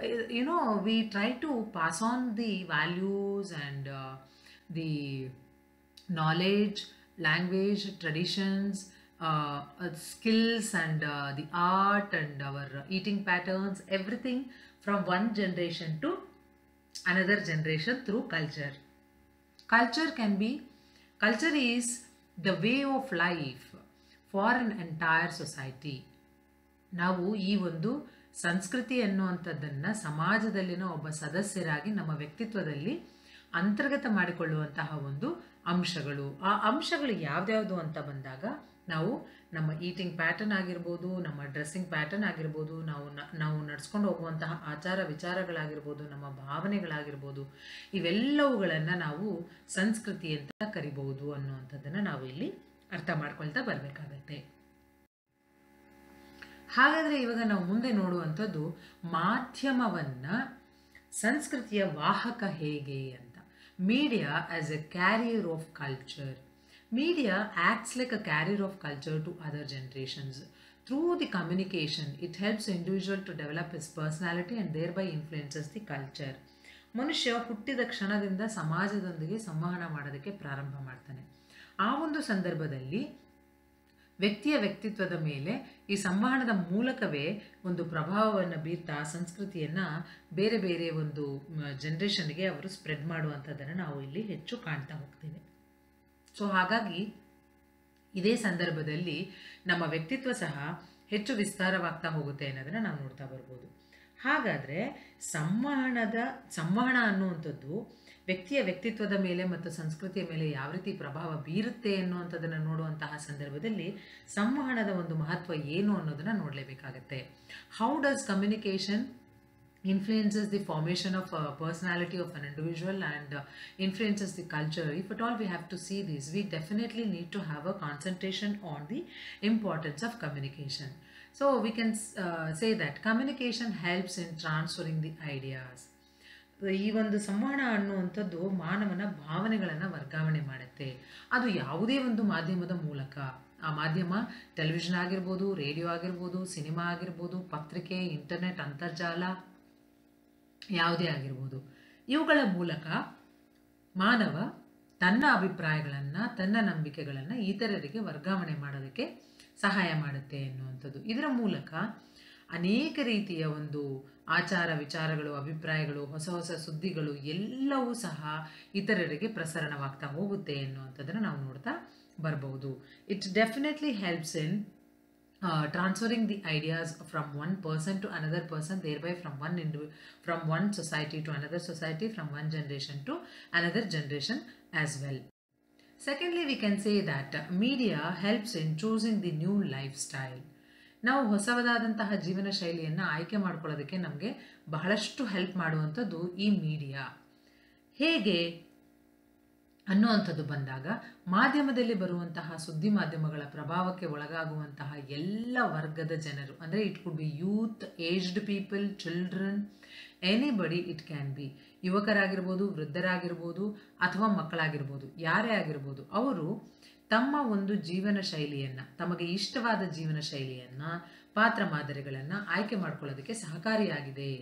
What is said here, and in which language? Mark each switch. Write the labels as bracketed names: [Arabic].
[English] You know, we try to pass on the values and the knowledge, language, traditions, skills and the art and our eating patterns, everything from one generation to another generation through culture. Culture is the way of life for an entire society. [Kannada] ನಾವು ಈ ಒಂದು ಸಂಸ್ಕೃತಿ ಅನ್ನುವಂಥದ್ದನ್ನು ಸಮಾಜದಲ್ಲಿನ ಒಬ್ಬ ಸದಸ್ಯರಾಗಿ ನಮ್ಮ ವ್ಯಕ್ತಿತ್ವದಲ್ಲಿ ಅಂತರ್ಗತ ಮಾಡಿಕೊಳ್ಳುವಂತಹ ಒಂದು ಅಂಶಗಳು. ಆ ಅಂಶಗಳು ಯಾವ್ದ್ಯಾವುದು ಅಂತ ಬಂದಾಗ, ನಾವು ನಮ್ಮ ಈಟಿಂಗ್ ಪ್ಯಾಟರ್ನ್ ಆಗಿರ್ಬೋದು, ನಮ್ಮ ಡ್ರೆಸ್ಸಿಂಗ್ ಪ್ಯಾಟರ್ನ್ ಆಗಿರ್ಬೋದು, ನಾವು ನಡ್ಸ್ಕೊಂಡು ಹೋಗುವಂತಹ ಆಚಾರ ವಿಚಾರಗಳಾಗಿರ್ಬೋದು, ನಮ್ಮ ಭಾವನೆಗಳಾಗಿರ್ಬೋದು, ಇವೆಲ್ಲವುಗಳನ್ನು ನಾವು ಸಂಸ್ಕೃತಿ ಅಂತ ಕರಿಬಹುದು ಅನ್ನುವಂಥದ್ದನ್ನು ನಾವು ಇಲ್ಲಿ ಅರ್ಥ ಮಾಡ್ಕೊಳ್ತಾ ಬರಬೇಕಾಗತ್ತೆ. ಹಾಗಾದರೆ ಇವಾಗ ನಾವು ಮುಂದೆ ನೋಡುವಂಥದ್ದು ಮಾಧ್ಯಮವನ್ನು ಸಂಸ್ಕೃತಿಯ ವಾಹಕ ಹೇಗೆ ಅಂತ. [English] Media as a carrier of culture. Media acts like a carrier of culture to other generations. Through the communication, it helps individual to develop his personality and thereby influences the culture. [Kannada] ಮನುಷ್ಯ ಹುಟ್ಟಿದ ಕ್ಷಣದಿಂದ ಸಮಾಜದೊಂದಿಗೆ ಸಂವಹನ ಮಾಡೋದಕ್ಕೆ ಪ್ರಾರಂಭ ಮಾಡ್ತಾನೆ. ಆ ಒಂದು ಸಂದರ್ಭದಲ್ಲಿ ವ್ಯಕ್ತಿಯ ವ್ಯಕ್ತಿತ್ವದ ಮೇಲೆ ಈ ಸಂವಹನದ ಮೂಲಕವೇ ಒಂದು ಪ್ರಭಾವವನ್ನು ಬೀರ್ತಾ ಸಂಸ್ಕೃತಿಯನ್ನು ಬೇರೆ ಬೇರೆ ಒಂದು ಜನರೇಷನ್ಗೆ ಅವರು ಸ್ಪ್ರೆಡ್ ಮಾಡುವಂಥದ್ದನ್ನು ನಾವು ಇಲ್ಲಿ ಹೆಚ್ಚು ಕಾಣ್ತಾ ಹೋಗ್ತೇವೆ. ಸೊ ಹಾಗಾಗಿ ಇದೇ ಸಂದರ್ಭದಲ್ಲಿ ನಮ್ಮ ವ್ಯಕ್ತಿತ್ವ ಸಹ ಹೆಚ್ಚು ವಿಸ್ತಾರವಾಗ್ತಾ ಹೋಗುತ್ತೆ ಅನ್ನೋದನ್ನು ನಾವು ನೋಡ್ತಾ ಬರ್ಬೋದು. ಹಾಗಾದರೆ ಸಂವಹನ ಅನ್ನುವಂಥದ್ದು ವ್ಯಕ್ತಿಯ ವ್ಯಕ್ತಿತ್ವದ ಮೇಲೆ ಮತ್ತು ಸಂಸ್ಕೃತಿಯ ಮೇಲೆ ಯಾವ ರೀತಿ ಪ್ರಭಾವ ಬೀರುತ್ತೆ ಅನ್ನುವಂಥದ್ದನ್ನು ನೋಡುವಂತಹ ಸಂದರ್ಭದಲ್ಲಿ ಸಂವಹನದ ಒಂದು ಮಹತ್ವ ಏನು ಅನ್ನೋದನ್ನು ನೋಡಲೇಬೇಕಾಗತ್ತೆ. [English] How does communication influences the formation of a personality of an individual and influences the culture. If at all we have to see this, we definitely need to have a concentration on the importance of communication. So we can say that communication helps in transferring the ideas. [Kannada] ಈ ಒಂದು ಸಂವಹನ ಅನ್ನುವಂಥದ್ದು ಮಾನವನ ಭಾವನೆಗಳನ್ನು ವರ್ಗಾವಣೆ ಮಾಡುತ್ತೆ. ಅದು ಯಾವುದೇ ಒಂದು ಮಾಧ್ಯಮದ ಮೂಲಕ, ಆ ಮಾಧ್ಯಮ ಟೆಲಿವಿಷನ್ ಆಗಿರ್ಬೋದು, ರೇಡಿಯೋ ಆಗಿರ್ಬೋದು, ಸಿನಿಮಾ ಆಗಿರ್ಬೋದು, ಪತ್ರಿಕೆ, ಇಂಟರ್ನೆಟ್, ಅಂತರ್ಜಾಲ ಯಾವುದೇ ಆಗಿರ್ಬೋದು, ಇವುಗಳ ಮೂಲಕ ಮಾನವ ತನ್ನ ಅಭಿಪ್ರಾಯಗಳನ್ನು, ತನ್ನ ನಂಬಿಕೆಗಳನ್ನು ಇತರರಿಗೆ ವರ್ಗಾವಣೆ ಮಾಡೋದಕ್ಕೆ ಸಹಾಯ ಮಾಡುತ್ತೆ ಎನ್ನುವಂಥದ್ದು. ಇದರ ಮೂಲಕ ಅನೇಕ ರೀತಿಯ ಒಂದು ಆಚಾರ ವಿಚಾರಗಳು, ಅಭಿಪ್ರಾಯಗಳು, ಹೊಸ ಹೊಸ ಸುದ್ದಿಗಳು ಎಲ್ಲವೂ ಸಹ ಇತರರಿಗೆ ಪ್ರಸರಣವಾಗ್ತಾ ಹೋಗುತ್ತೆ ಎನ್ನುವಂಥದ್ದನ್ನು ನಾವು ನೋಡ್ತಾ ಬರ್ಬೋದು. [English] It definitely helps in transferring the ideas from one person to another person, thereby from one society to another society, from one generation to another generation as well. Secondly, we can say that media helps in choosing the new lifestyle. [Kannada] ನಾವು ಹೊಸದಾದಂತಹ ಜೀವನ ಶೈಲಿಯನ್ನು ಆಯ್ಕೆ ಮಾಡ್ಕೊಳ್ಳೋದಕ್ಕೆ ನಮಗೆ ಬಹಳಷ್ಟು help ಮಾಡುವಂಥದ್ದು ಈ media. ಹೇಗೆ ಅನ್ನುವಂಥದ್ದು ಬಂದಾಗ, ಮಾಧ್ಯಮದಲ್ಲಿ ಬರುವಂತಹ ಸುದ್ದಿ ಮಾಧ್ಯಮಗಳ ಪ್ರಭಾವಕ್ಕೆ ಒಳಗಾಗುವಂತಹ ಎಲ್ಲ ವರ್ಗದ ಜನರು, ಅಂದರೆ [English] it could be youth, aged people, children, anybody it can be, [Kannada] ಯುವಕರಾಗಿರ್ಬೋದು, ವೃದ್ಧರಾಗಿರ್ಬೋದು ಅಥವಾ ಮಕ್ಕಳಾಗಿರ್ಬೋದು, ಯಾರೇ ಆಗಿರ್ಬೋದು, ಅವರು ತಮ್ಮ ಒಂದು ಜೀವನ ಶೈಲಿಯನ್ನು, ತಮಗೆ ಇಷ್ಟವಾದ ಜೀವನ ಶೈಲಿಯನ್ನು, ಪಾತ್ರ ಮಾದರಿಗಳನ್ನು ಆಯ್ಕೆ ಮಾಡ್ಕೊಳ್ಳೋದಕ್ಕೆ ಸಹಕಾರಿಯಾಗಿದೆ.